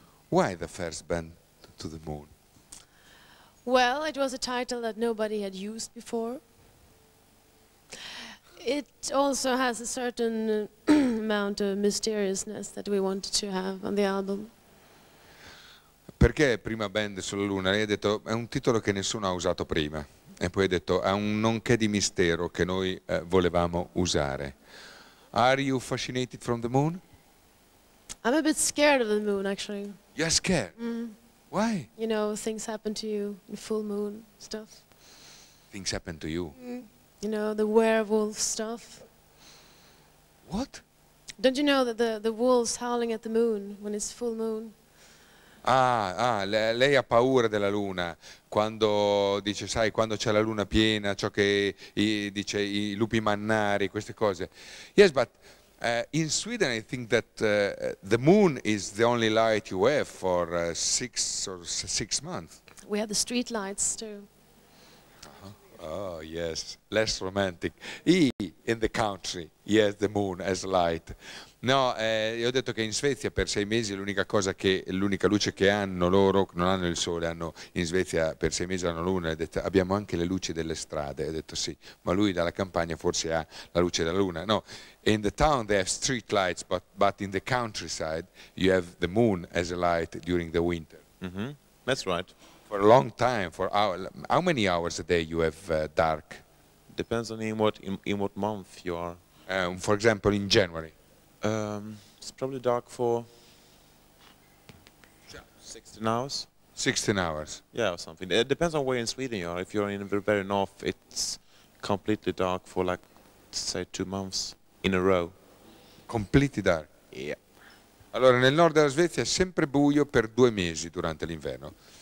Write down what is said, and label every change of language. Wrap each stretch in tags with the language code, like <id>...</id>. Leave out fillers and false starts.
<en>Why the first band to the moon? Well, it was a title that nobody had used before. It also has a certain amount of mysteriousness that we wanted to have on the album.</en> <it>Perché prima band sulla Luna? Lei ha detto è un titolo che nessuno ha usato prima e poi ha detto è un nonché di mistero che noi volevamo usare.</it> <en>Are you fascinated from the moon? I'm a bit scared of the moon actually. You're scared? Mm. Why? You know, things happen to you in full moon stuff. Things happen to you? Mm. You know, the werewolf stuff. What? Don't you know that the wolves howling at the moon when it's full moon?</en> <it>Ah, lei ha paura della luna. Quando, dice, sai, quando c'è la luna piena, ciò che dice i lupi mannari, queste cose.</it> <en>Yes, but in Sweden I think that the moon is the only light you have for six months. We have the street lights too. Oh, yes, less romantic. in the country, yes, the moon as light.</en> <it>No, io ho detto che in Svezia per sei mesi l'unica cosa che, l'unica luce che hanno loro, non hanno il sole, hanno in Svezia per sei mesi hanno luna, ho detto abbiamo anche le luci delle strade, ho detto sì, ma lui dalla campagna forse ha la luce della luna.</it> <en>No, in the town they have street lights, but in the countryside you have the moon as a light during the winter. Mm-hmm. That's right. For a long time, for how many hours a day you have dark? Depends on in what month you are. For example, in January. It's probably dark for 16 hours. 16 hours. Yeah, or something. It depends on where in Sweden you are. If you're in the very north, it's completely dark for like, say, 2 months in a row. Completely dark. Yeah.</en> <it>Allora, nel nord della Svezia è sempre buio per 2 mesi durante l'inverno.</it>